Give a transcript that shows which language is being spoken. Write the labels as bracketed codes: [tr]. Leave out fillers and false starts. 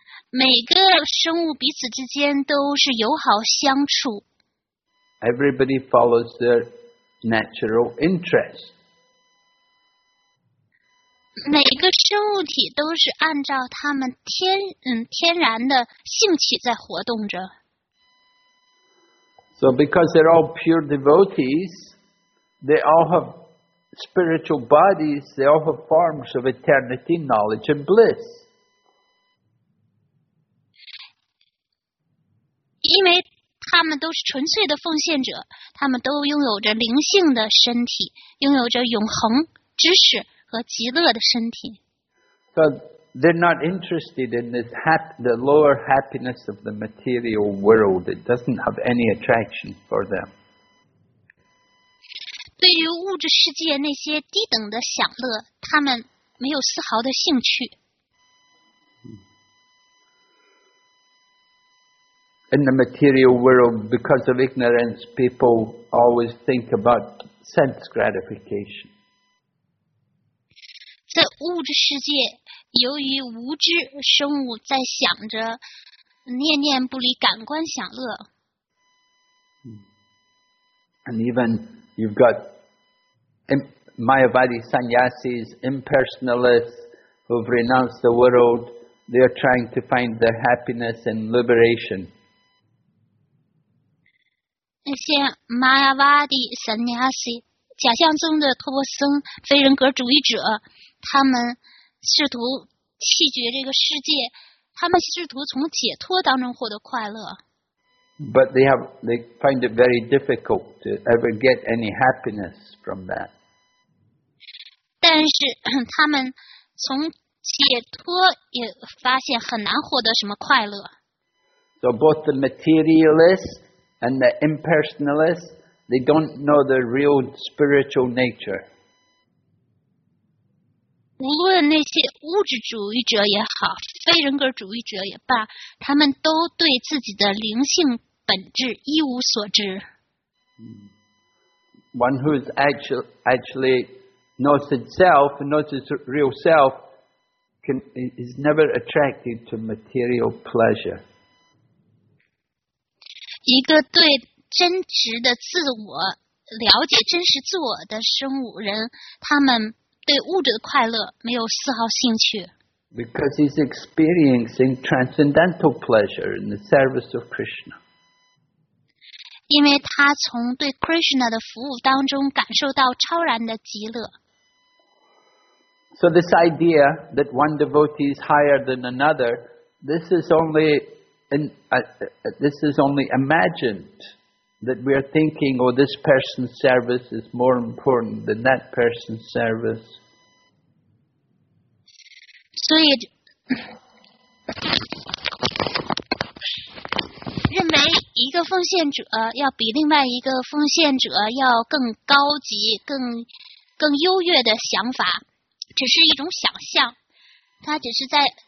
[zh] 每个生物彼此之间都是友好相处。 [en] Everybody follows their natural interest. [zh] 每个生物体都是按照他们天然的兴趣在活动着。 [en] So because they're all pure devotees, they all have spiritual bodies, they all have forms of eternity, knowledge and bliss. [zh] 因为他们都是纯粹的奉献者，他们都拥有着灵性的身体，拥有着永恒知识。和极乐的身体。 [en] So They're not interested in this the lower happiness of the material world. It doesn't have any attraction for them. [zh] 对于物质世界那些低等的享乐，他们没有丝毫的兴趣。 [en] In the material world, because of ignorance, people always think about sense gratification. [zh] 在物质世界，由于无知，生物在想着念念不离感官享乐。 [en] And even you've got Mayavadi sannyasis, impersonalists who've renounced the world, they are trying to find their happiness and liberation. [zh] 那些 Mayavadi sannyasi 假象中的托钵僧非人格主义者，他们试图弃绝这个世界，他们试图从解脱当中获得快乐。 [en] But they find it very difficult to ever get any happiness from that. [zh] 但是他们从解脱也发现很难获得什么快乐。 [en] So both the materialists. And the impersonalists, they don't know the real spiritual nature. [zh] 无论那些物质主义者也好，非人格主义者也罢，他们都对自己的灵性本质一无所知。 [en] One who is actually knows itself, knows his real self, is never attracted to material pleasure. [zh] 一个对真实的自我了解真实自我的生物人，他们对物质的快乐没有丝毫兴趣。 [en] Because he's experiencing transcendental pleasure in the service of Krishna. [zh] 因为他从对 Krishna 的服务当中感受到超然的极乐。 [en] So this idea that one devotee is higher than another, this is only. This is only imagined that we are thinking, oh, this person's service is more important than that person's service. [zh] So, 认为一个奉献者要比另外一个奉献者要更高级、更优越的想法，只是一种想象，他只是在。